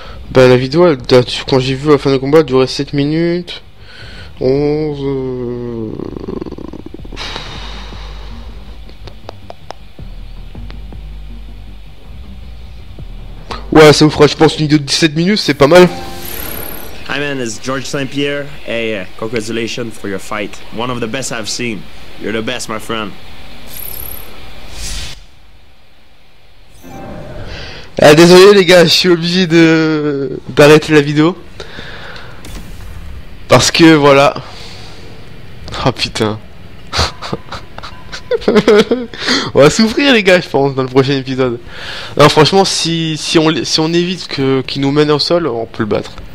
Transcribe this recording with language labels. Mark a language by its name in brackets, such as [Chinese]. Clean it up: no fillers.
[French] Ben, la vidéo, quand j'ai vu la fin de combat, elle durait 7 minutes. 11... Ouais, ça vous fera, je pense, une vidéo de 17 minutes, c'est pas mal. [English] Hi man, it's George St. Pierre. Hey, congratulations for your fight. One of the best I've seen. You're the best, my friend. [French] Ah, désolé les gars, je suis obligé d'arrêter la vidéo. Parce que voilà. Ah oh, putain. On va souffrir les gars, je pense, dans le prochain épisode. Non, franchement, si on évite qu'il nous mène au sol, on peut le battre.